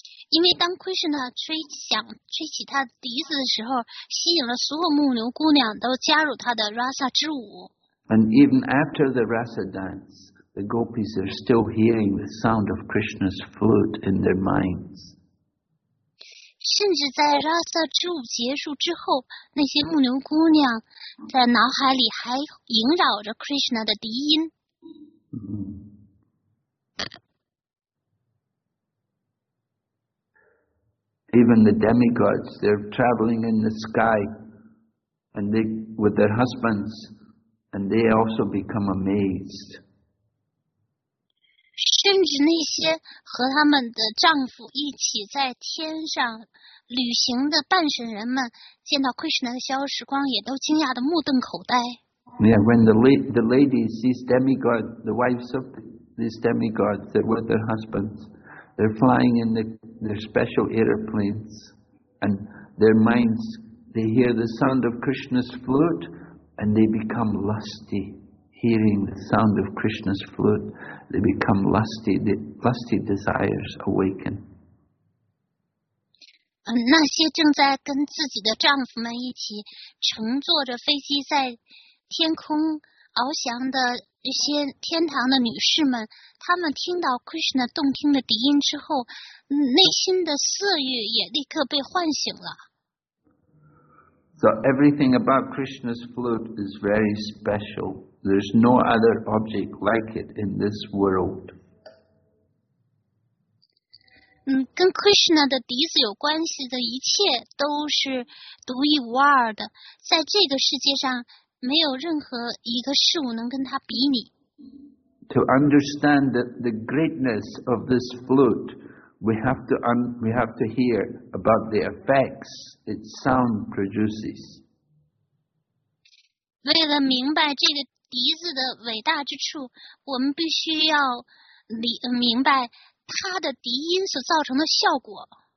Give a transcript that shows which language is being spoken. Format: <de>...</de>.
<zh>因为当 Krishna 吹起他的笛子的时候，吸引了所有牧牛姑娘都加入他的 rasa 之舞。</zh> <en>And even after the rasa dance, the gopis are still hearing the sound of Krishna's flute in their minds.</en> <zh>甚至在拉萨之舞结束之后，那些牧牛姑娘在脑海里还萦绕着 Krishna 的笛音。</zh> <en>Even the demigods, they're traveling in the sky, and they with their husbands, and they also become amazed.</en> <zh>甚至那些和他们的丈夫一起在天上旅行的半神人们，见到 Krishna 的消失光，也都惊讶的目瞪口呆。</zh> <en>Yeah, when the ladies, these demigods, the wives of these demigods, they're with their husbands. They're flying in their special airplanes, and their minds, they hear the sound of Krishna's flute, and they become lusty. Hearing the sound of Krishna's flute, they become lusty. The lusty desires awaken.</en> <zh>那些正在跟自己的丈夫们一起乘坐着飞机在天空翱翔的一些天堂的女士们，她们听到 Krishna 动听的笛音之后，内心的色欲也立刻被唤醒了。</zh> <en>So everything about Krishna's flute is very special. There's no other object like it in this world.</en> <zh>跟 Krishna 的笛子有关系的一切都是独一无二的，在这个世界上没有任何一个事物能跟它比拟。</zh> <en>To understand the greatness of this flute, we have to hear about the effects its sound produces.</en> <zh>为了明白这个笛子的伟大之处，我们必须要明白它的笛音所造成的效果。</zh>